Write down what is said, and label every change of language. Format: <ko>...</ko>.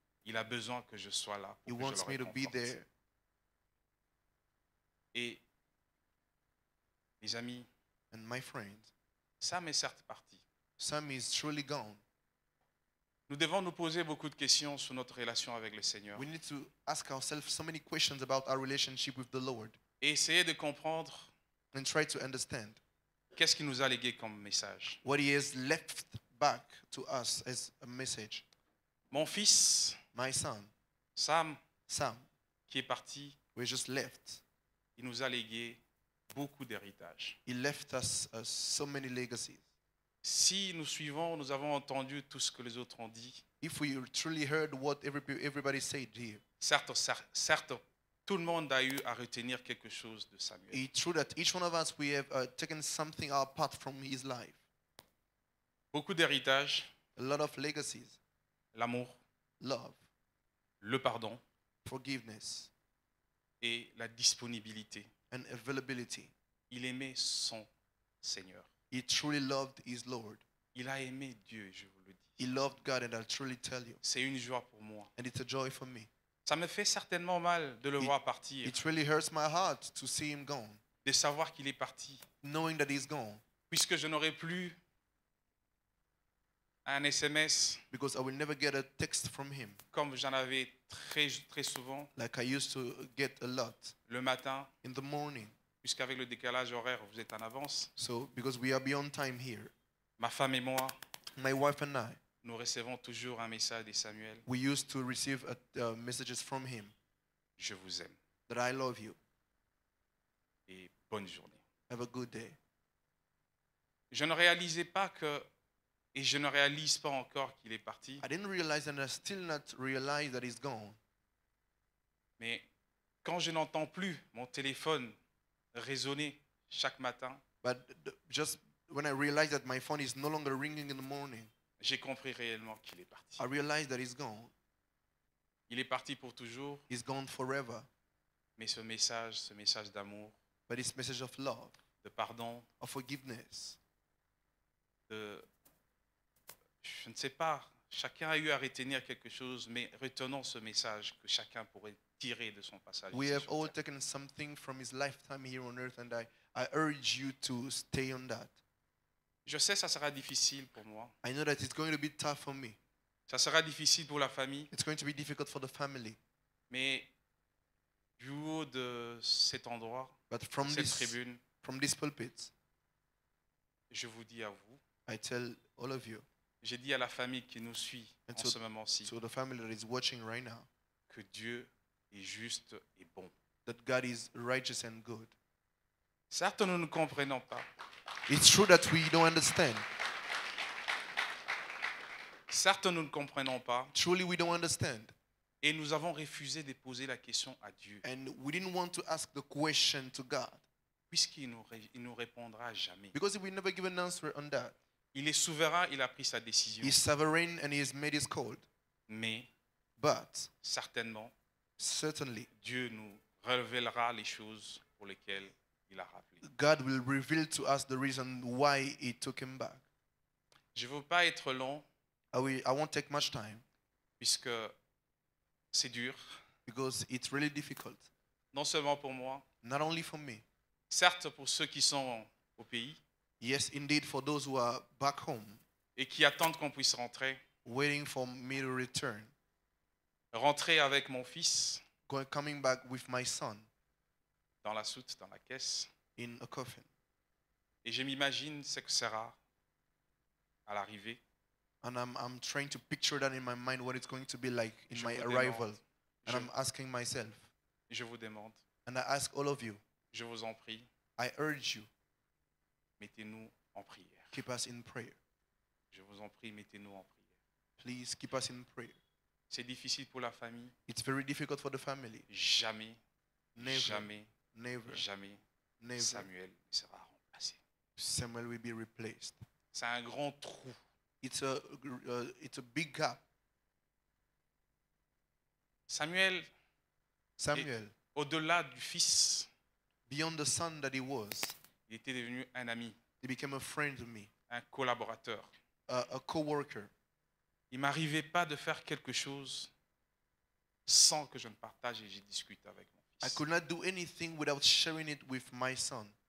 <fr>Il a besoin que je sois là pour que</fr> <en>wants</en> <fr>je</fr> <en>me to be there.</en> <fr>Et mes amis,</fr> <en>and my friends,</en> <fr>Sam est certes parti.</fr> <en>Sam is truly gone.</en> <fr>Nous devons nous poser beaucoup de questions sur notre relation avec le Seigneur.</fr> <en>We need to ask ourselves so many questions about our relationship with the Lord.</en> <fr>Et essayer de comprendre</fr> <en>and try to understand</en> <fr>qu'est-ce qu'il nous a légué comme message.</fr> <en>What he has left back to us as a message.</en> <fr>Mon fils,</fr> <en>my son,</en> <fr>Sam, qui est parti,</fr> <en>we just left.</en> <fr>Il nous a légué beaucoup d'héritage.</fr> <en>He left us so many legacies.</en> <fr>Si nous suivons, nous avons entendu tout ce que les autres ont dit.</fr> <en>If we truly heard what everybody said here.</en> <fr>Certes, tout le monde a eu à retenir quelque chose de Samuel.</fr> <en>It's true that each one of us we have taken something apart from his life.</en> <fr>Beaucoup d'héritage.</fr> <en>A lot of legacies.</en> <fr>L'amour.</fr> <en>Love.</en> <fr>Le pardon.</fr> <en>Forgiveness.</en> <fr>Et la disponibilité.</fr> <en>And availability.</en> <fr>Il aimait son Seigneur.</fr> <en>He truly loved his Lord.</en> <fr>Il a aimé Dieu, je vous le dis.</fr> <en>He loved God, and I'll truly tell you.</en> <fr>C'est une joie pour moi.</fr> <en>And it's a joy for me.</en> <fr>Ça me fait certainement mal de le voir partir.</fr> <en>It really hurts my heart to see him gone.</en> <fr>De savoir qu'il est parti.</fr> <en>Knowing that he's gone.</en> <fr>Puisque je n'aurai plus un SMS.</fr> <en>Because I will never get a text from him.</en> <fr>Comme j'en avais très souvent.</fr> <en>Like I used to get a lot.</en> <fr>Le matin.</fr> <en>In the morning.</en> <fr>Puisqu'avec le décalage horaire, vous êtes en avance.</fr> <en>So, because we are beyond time here.</en> <fr>Ma femme et moi.</fr> <en>My wife and I.</en> <fr>Nous recevons toujours un message de Samuel.</fr> <en>We used to receive messages from him.</en> <fr>Je vous aime.</fr> <en>That I love you.</en> <fr>Et bonne journée.</fr> <en>Have a good day.</en> <fr>Je ne réalisais pas que, et je ne réalise pas encore qu'il est parti.</fr> <en>I didn't realize and I still not realize that he's gone.</en> <fr>Mais quand je n'entends plus mon téléphone résonner chaque matin.</fr> <en>But just when I realized that my phone is no longer ringing in the morning.</en> <fr>J'ai compris réellement qu'il est parti.</fr> <en>I realized that he's gone.</en> <fr>Il est parti pour toujours.</fr> <en>He's gone forever.</en> <fr>Mais ce message d'amour.</fr> <en>But this message of love.</en> <fr>De pardon.</fr> <en>Of forgiveness.</en> <fr>Je ne sais pas. Chacun a eu à retenir quelque chose, mais retenons ce message que chacun pourrait tirer de son passage.</fr> <en>We have all taken something from his lifetime here on earth, and I urge you to stay on that.</en> <fr>Je sais ça sera difficile pour moi.</fr> <en>I know that it's going to be tough for me.</en> <fr>Ça sera difficile pour la famille.</fr> <en>It's going to be difficult for the family.</en> <fr>Mais du haut de cet endroit, cette tribune,</fr> <en>from this pulpit,</en> <fr>je vous dis à vous.</fr> <en>I tell all of you.</en> <fr>J'ai dit à la famille qui nous suit en ce moment-ci.</fr> <en>To the family that is watching right now.</en> <fr>Que Dieu est juste et bon.</fr> <en>That God is righteous and good.</en> <fr>Certes, nous ne comprenons pas.</fr> <en>It's true that we don't understand.</en> <fr>Certes, nous ne comprenons pas.</fr> <en>Truly, we don't understand.</en> <fr>Et nous avons refusé de poser la question à Dieu.</fr> <en>And we didn't want to ask the question to God.</en> <fr>Puisqu'il nous répondra jamais.</fr> <en>Because he will never give an answer on that.</en> <fr>Il est souverain, il a pris sa décision.</fr> <en>He is sovereign and he has made his call.</en> <fr>Mais,</fr> <en>but,</en> <fr>certainement,</fr> <en>certainly,</en> <fr>Dieu nous révélera les choses pour lesquelles il a rappelé.</fr> <en>God will reveal to us the reason why he took him back.</en> <fr>Je ne veux pas être long.</fr> <en>I won't take much time.</en> <fr>Puisque c'est dur.</fr> <en>Because it's really difficult.</en> <fr>Non seulement pour moi.</fr> <en>Not only for me.</en> <fr>Certes, pour ceux qui sont au pays.</fr> <en>Yes, indeed, for those who are back home.</en> <fr>Et qui attendent qu'on puisse rentrer.</fr> <en>Waiting for me to return.</en> <fr>Rentrer avec mon fils.</fr> <en>Coming back with my son.</en> <fr>Dans la soute, dans la caisse.</fr> <en>In a coffin.</en> <fr>Et je m'imagine ce que sera à l'arrivée.</fr> <en>And I'm trying to picture that in my mind, what it's going to be like in my arrival. And I'm asking myself.</en> <fr>Je vous demande.</fr> <en>And I ask all of you.</en> <fr>Je vous en prie.</fr> <en>I urge you.</en> <fr>Mettez-nous en prière.</fr> <en>Keep us in prayer.</en> <fr>Je vous en prie, mettez-nous en prière.</fr> <en>Please keep us in prayer.</en> <fr>C'est difficile pour la famille.</fr> <en>It's very difficult for the family.</en> <fr>Jamais.</fr> <en>Never.</en> <fr>Jamais.</fr> <en>Never.</en> <fr>Jamais.</fr> <en>Never.</en> <fr>Samuel sera remplacé.</fr> <en>Samuel will be replaced.</en> <fr>C'est un grand trou.</fr> <en>It's a big gap.</en> <fr>Samuel. Au-delà du fils.</fr> <en>Beyond the son that he was.</en> <fr>Il était devenu un ami.</fr> <en>He became a friend to me.</en> <fr>Un collaborateur.</fr> <en>A co-worker.</en> <fr>Il ne m'arrivait pas de faire quelque chose sans que je ne partage et j'y discute avec mon fils.</fr> <en>I could not do anything without sharing it with my son.</en>